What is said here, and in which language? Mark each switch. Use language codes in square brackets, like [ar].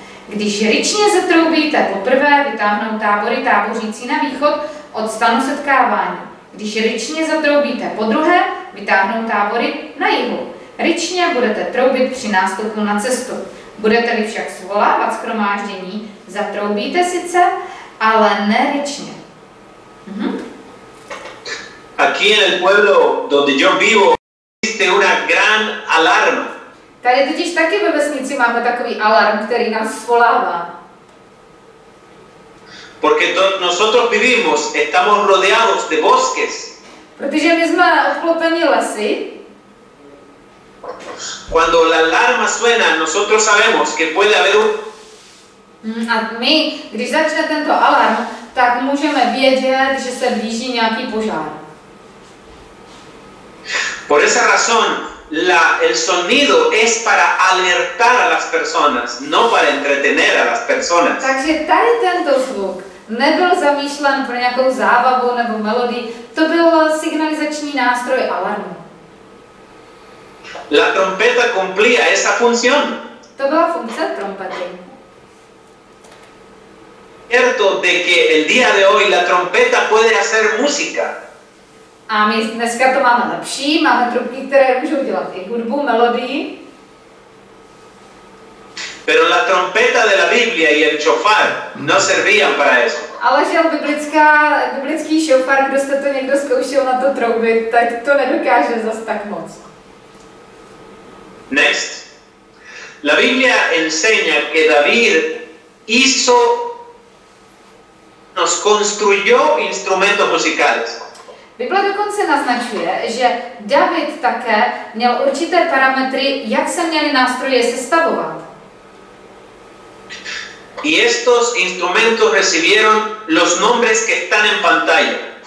[cs] Když ryčně zatroubíte poprvé, vytáhnou tábory tábořící na východ od stanu setkávání. Když ryčně zatroubíte podruhé, vytáhnou tábory na jihu. Ryčně budete troubit při nástupu na cestu. Budete-li však svolávat shromáždění, zatroubíte sice, ale ne ryčně. [es] Aquí en el pueblo donde yo vivo existe una gran alarma. [cs] Tady totiž taky ve vesnici máme takový alarm, který nás svolává. [es] Porque nosotros vivimos, estamos rodeados de bosques. [cs] Protože my jsme obklopeni lesy. [es] Cuando la alarma suena, nosotros sabemos que puede haber un... [cs] A my, když začne tento alarm, tak můžeme vědět, že se blíží nějaký požár. [es] Por esa razón, el sonido es para alertar a las personas, no para entretener a las personas. [cs] Takže tady tento zvuk nebyl zamýšlen pro nějakou zábavu nebo melodii, to byl signalizační nástroj alarmu. [es] La trompeta cumplía esa función. [cs] To byla funkce trompety. [es] Cierto de que el día de hoy la trompeta puede hacer música. [cs] A my dneska to máme lepší, máme trubky, které můžou dělat i hudbu, melodii. [es] Pero la trompeta de la Biblia y el chofar no servían para eso. [cs] Ale že biblický šofar, kdo jste to někdo zkoušel na to troubit, tak to nedokáže zas tak moc. [en] Next. [es] La Biblia enseña que David hizo, nos construyó instrumentos musicales. [cs] Bible dokonce naznačuje, že David také měl určité parametry, jak se měly nástroje sestavovat. [es] Y estos instrumentos recibieron los nombres que están en pantalla.